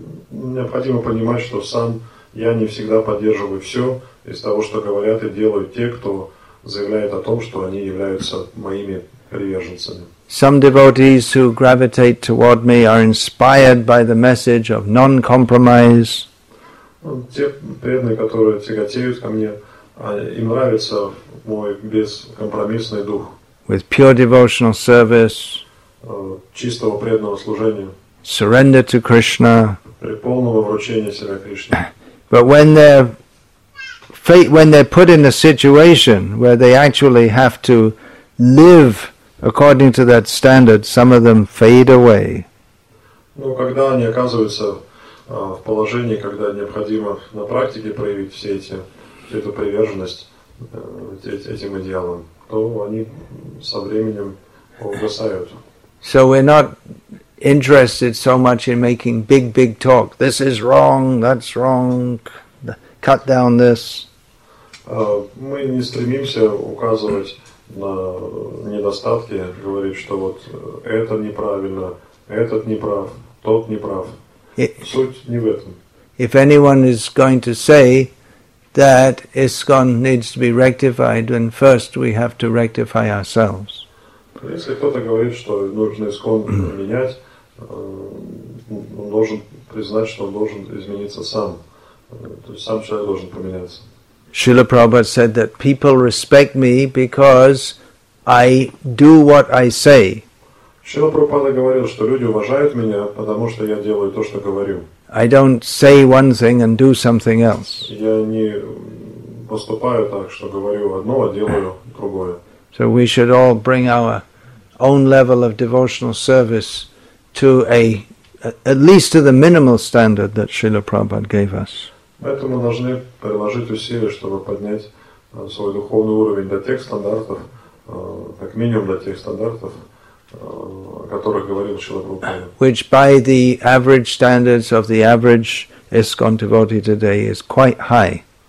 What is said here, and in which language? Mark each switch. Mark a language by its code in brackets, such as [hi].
[ru] Необходимо понимать, что сам я не всегда поддерживаю все из того, что говорят и делают те, кто заявляет о том, что они являются моими приверженцами. [en] Some devotees who gravitate toward me are inspired by the message of non-compromise. [ru] Те преданные, которые тяготеют ко мне, им нравится мой бескомпромиссный дух. [en] With pure devotional service, [ru] чистого преданного служения, [en] surrender to Krishna, [ru] при полном вручении себя Кришне. [en] But when they're put in a situation where they actually have to live according to that standard, some of them fade away. [ru] Но когда они оказываются в положении, когда необходимо на практике проявить все эти эту приверженность этим идеалам, то они со временем [en] So we're not interested so much in making big, big talk. This is wrong, that's wrong, cut down this. [ru] Мы не стремимся указывать на недостатки, говорить, что вот это неправильно, этот неправ, тот неправ. Суть не в этом. [en] If anyone is going to say that ISKCON needs to be rectified, then first we have to rectify ourselves. [ru] Если кто-то говорит, что нужно ИСКОН менять, он должен признать, что он должен измениться сам. То есть сам человек должен поменяться. [en] Srila Prabhupada said that people respect me because I do what I say. [ru] Srila Prabhupada говорил, что люди уважают меня, потому что я делаю то, что говорю. [en] I don't say one thing and do something else. [ru] Я не поступаю так, что говорю одно, а делаю другое. [en] So we should all bring our own level of devotional service to at least to the minimal standard that Srila Prabhupada gave us. [ru] Поэтому мы должны приложить усилия, чтобы поднять свой духовный уровень до тех стандартов, как минимум до тех стандартов, о которых говорил Шрила Прабхупада. [en] Which by the average standards of the average ISKCON devotee today is quite high.